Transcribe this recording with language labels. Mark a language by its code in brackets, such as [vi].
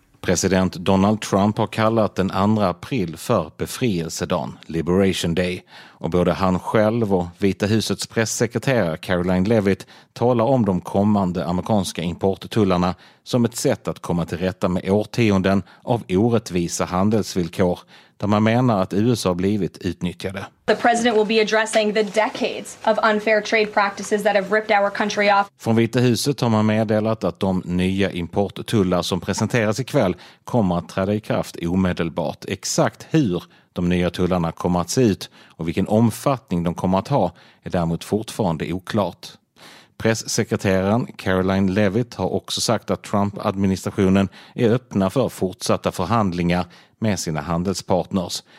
[sv] President Donald Trump har kallat den 2 april för befrielsedagen, Liberation Day. Och både han själv och Vita husets presssekreterare Caroline Levitt talar om de kommande amerikanska importtullarna som ett sätt att komma till rätta med årtionden av orättvisa handelsvillkor där man menar att USA blivit utnyttjade. [en] The president will be addressing the decades of unfair trade practices that have ripped our country off. [sv] Från Vita huset har man meddelat att de nya importtullar som presenteras ikväll kommer att träda i kraft omedelbart. Exakt hur de nya tullarna kommer att se ut och vilken omfattning de kommer att ha är däremot fortfarande oklart. Presssekreteraren Caroline Levitt har också sagt att Trump-administrationen är öppna för fortsatta förhandlingar med sina handelspartners.